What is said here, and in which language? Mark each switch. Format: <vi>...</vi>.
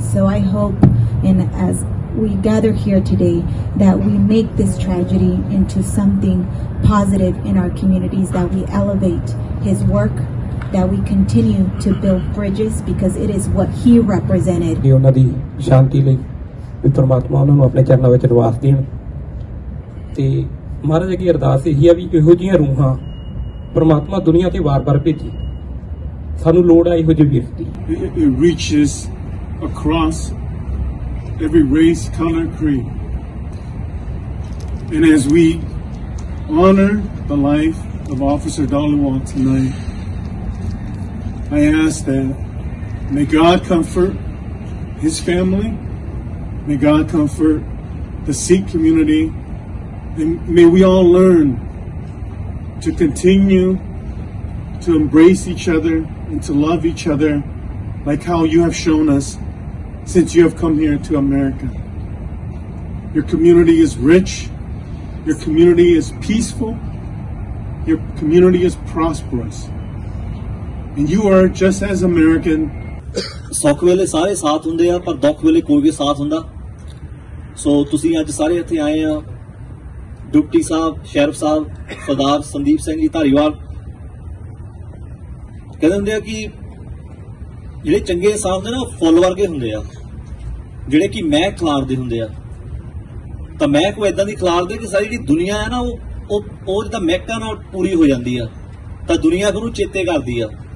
<en>So I hope, and as we gather here today, that we make this tragedy into something positive in our communities, that we elevate his work, that we continue to build bridges, because it is what he represented.</en> <pa>ਪਰਮਾਤਮਾ ਉਹਨਾਂ ਨੂੰ ਆਪਣੇ ਚਰਨਾਂ ਵਿੱਚ ਨਿਵਾਸ ਦੇਣ ਅਤੇ ਮਹਾਰਾਜ ਅੱਗੇ ਅਰਦਾਸ ਇਹੀ ਆ ਵੀ ਇਹੋ ਜਿਹੀਆਂ ਰੂਹਾਂ ਪਰਮਾਤਮਾ ਦੁਨੀਆਂ 'ਤੇ ਵਾਰ ਵਾਰ ਭੇਜੀ ਸਾਨੂੰ ਲੋੜ ਆ ਇਹੋ ਜਿਹੇ ਵਿਅਕਤੀ</pa> <en>It reaches across every race colour creed and as we honour the life of officer Dhaliwal tonight I ask that may God comfort his family. May God comfort the Sikh community, and may we all learn to continue to embrace each other and to love each other like how you have shown us since you have come here to America. Your community is rich, your community is peaceful, your community is prosperous, and you are just as American.</en> <pa>ਸੁੱਖ ਵੇਲੇ ਸਾਰੇ ਸਾਥ ਹੁੰਦੇ ਆ, ਪਰ ਦੁੱਖ ਵੇਲੇ ਕੋਈ ਵੀ ਸਾਥ ਹੁੰਦਾ? ਸੋ ਤੁਸੀਂ ਅੱਜ ਸਾਰੇ ਇੱਥੇ ਆਏ ਆ, ਡਿਪਟੀ ਸਾਹਿਬ, ਸ਼ੈਰਫ ਸਾਹਿਬ, ਸਰਦਾਰ ਸੰਦੀਪ ਸਿੰਘ ਜੀ ਧਾਰੀਵਾਲ, ਕਹਿੰਦੇ ਹੁੰਦੇ ਆ ਕਿ ਜਿਹੜੇ ਚੰਗੇ ਸਾਹਿਬ ਨੇ ਨਾ ਫੁੱਲ ਵਰਗੇ ਹੁੰਦੇ ਆ, ਜਿਹੜੇ ਕਿ ਮਹਿਕ ਖਿਲਾਰਦੇ ਹੁੰਦੇ ਆ, ਤਾਂ ਮਹਿਕ ਉਹ ਇੱਦਾਂ ਦੀ ਖਿਲਾਰਦੇ ਕਿ ਸਾਰੀ ਜਿਹੜੀ ਦੁਨੀਆਂ ਹੈ ਨਾ ਉਹ ਜਿੱਦਾਂ ਮਹਿਕਾਂ ਨਾਲ ਪੂਰੀ ਹੋ ਜਾਂਦੀ ਆ, ਤਾਂ ਦੁਨੀਆਂ ਫਿਰ ਉਹ ਚੇਤੇ ਕਰਦੀ ਆ।</pa>